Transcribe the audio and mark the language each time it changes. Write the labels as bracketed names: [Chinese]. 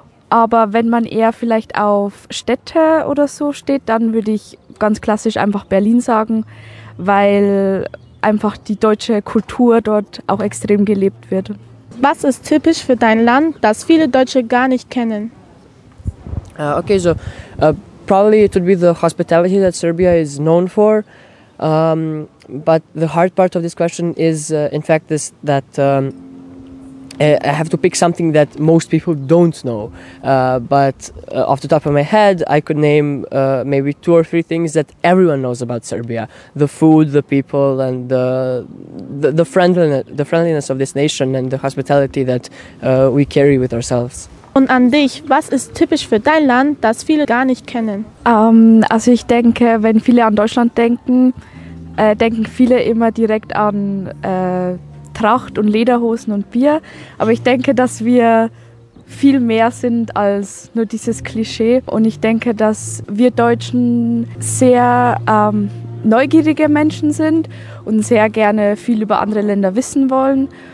[German] Aber wenn man eher vielleicht auf Städte oder so steht, dann würde ich ganz klassisch einfach Berlin sagen, weil einfach die deutsche Kultur dort auch extrem gelebt wird. Was ist typisch für dein Land, das viele Deutsche gar nicht kennen? [English] Okay, so probably it would be the hospitality that Serbia is known for. But the hard part of this question is in fact this, that I have to pick something that most people don't know. But off the top of my head, I could name maybe 2 or 3 things that everyone knows about Serbia. The food, the people, and the friendliness of this nation and the hospitality that we carry with ourselves. [German] Und an dich, was ist typisch für dein Land, das viele gar nicht kennen? Also ich denke, wenn viele an Deutschland denken, denken viele immer direkt an Tracht und Lederhosen und Bier, aber ich denke, dass wir viel mehr sind als nur dieses Klischee und ich denke, dass wir Deutschen sehr neugierige Menschen sind und sehr gerne viel über andere Länder wissen wollen